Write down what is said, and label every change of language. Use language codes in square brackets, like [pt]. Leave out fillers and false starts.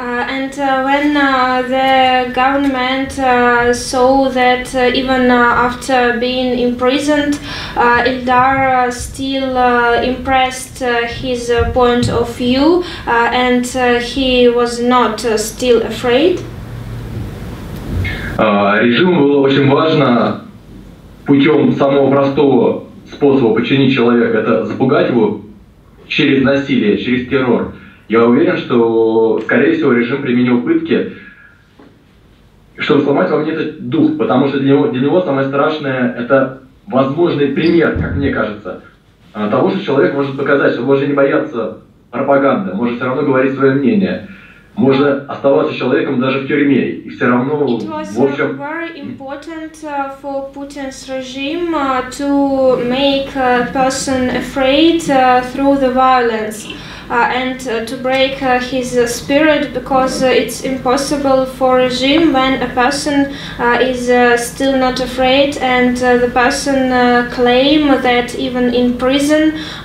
[en] The government saw that even after being imprisoned, Ildar still impressed his point of view, and he was not still afraid. [ru] Режиму было очень важно путем самого простого способа подчинить человека, это запугать его через насилие, через террор. Я уверен, что, скорее всего, режим применил пытки, чтобы сломать во мне этот дух, потому что для него самое страшное – это возможный пример, как мне кажется, того, что человек может показать, что может не бояться пропаганды, может все равно говорить свое мнение. Можно оставаться человеком даже в тюрьме, и все равно, в общем... [en] It was very important for Putin's regime to make a person afraid through the violence and to break his spirit, because it's impossible for regime when a person is still not afraid, and the person claim that even in prison